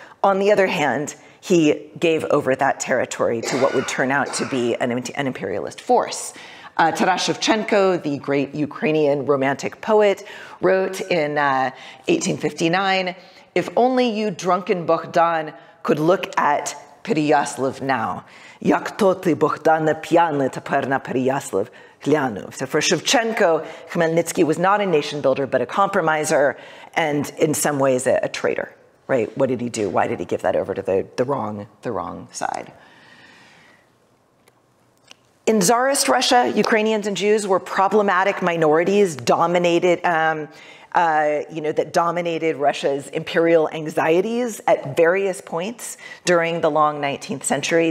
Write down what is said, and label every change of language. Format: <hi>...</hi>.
<en>On the other hand, he gave over that territory to what would turn out to be an imperialist force. Taras Shevchenko, the great Ukrainian romantic poet, wrote in 1859, "If only you drunken Bogdan could look at Переяслав now.</en> <uk>Як то ти Богдана п'яний тепер на Переяслав глянув."</uk> <en>So for Shevchenko, Khmelnytsky was not a nation builder, but a compromiser, and in some ways a traitor. Right? What did he do? Why did he give that over to the wrong side? In Tsarist Russia, Ukrainians and Jews were problematic minorities that dominated Russia's imperial anxieties at various points during the long 19th century.</en>